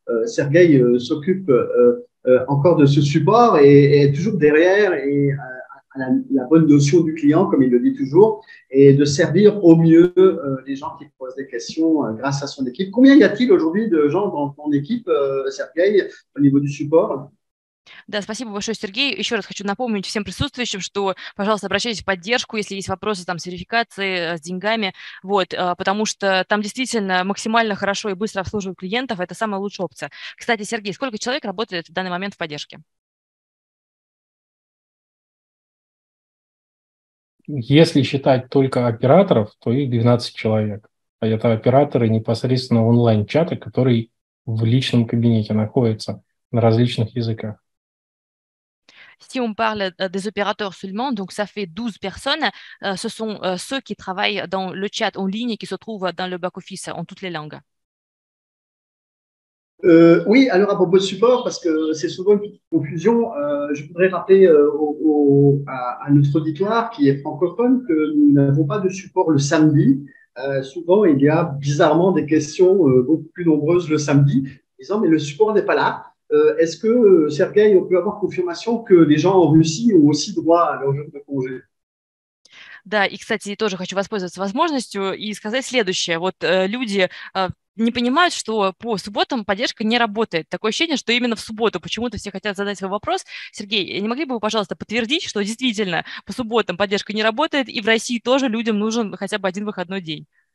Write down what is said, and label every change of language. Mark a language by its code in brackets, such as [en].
[fr] Sergueï s'occupe encore de ce support et est toujours derrière et à la bonne notion du client, comme il le dit toujours, et de servir au mieux les gens qui posent des questions grâce à son équipe. Combien y a-t-il aujourd'hui de gens dans ton équipe, Sergueï, au niveau du support? [ru] Да, спасибо большое, Сергей. Еще раз хочу напомнить всем присутствующим, что, пожалуйста, обращайтесь в поддержку, если есть вопросы там с верификацией, с деньгами, вот, потому что там действительно максимально хорошо и быстро обслуживают клиентов, это самая лучшая опция. Кстати, Сергей, сколько человек работает в данный момент в поддержке? Если считать только операторов, то их 12 человек. А это операторы непосредственно онлайн-чата, который в личном кабинете находится на различных языках. [fr] Si on parle des opérateurs seulement, donc ça fait 12 personnes, ce sont ceux qui travaillent dans le chat en ligne et qui se trouvent dans le back-office en toutes les langues. Oui, alors à propos de support, parce que c'est souvent une petite confusion, je voudrais rappeler à notre auditoire qui est francophone que nous n'avons pas de support le samedi. Souvent, il y a bizarrement des questions beaucoup plus nombreuses le samedi, disant mais le support n'est pas là. Est-ce que, Сергей, on peut avoir confirmation que les gens en Russie ont aussi droit à leur jour de congé? [ru] Да, и, кстати, тоже хочу воспользоваться возможностью и сказать следующее. Вот люди не понимают, что по субботам поддержка не работает. Такое ощущение, что именно в субботу почему-то все хотят задать свой вопрос. Сергей, не могли бы вы, пожалуйста, подтвердить, что действительно по субботам поддержка не работает, и в России тоже людям нужен хотя бы один выходной день?